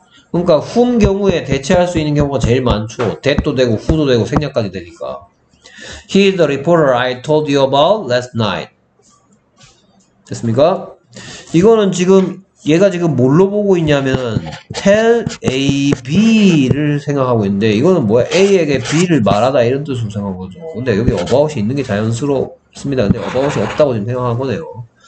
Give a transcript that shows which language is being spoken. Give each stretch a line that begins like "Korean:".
Korean: 그러니까 whom 경우에 대체할 수 있는 경우가 제일 많죠. that도 되고, who도 되고, 생략까지 되니까.
English: He is the reporter I told you about last night.
Korean: 됐습니까? 이거는 지금 얘가 지금 뭘로 보고 있냐면 tell A, B를 생각하고 있는데, 이거는 뭐야? A에게 B를 말하다 이런 뜻으로 생각한 거죠. 근데 여기 about이 있는 게 자연스럽습니다. 근데 about이 없다고 지금 생각한 거네요.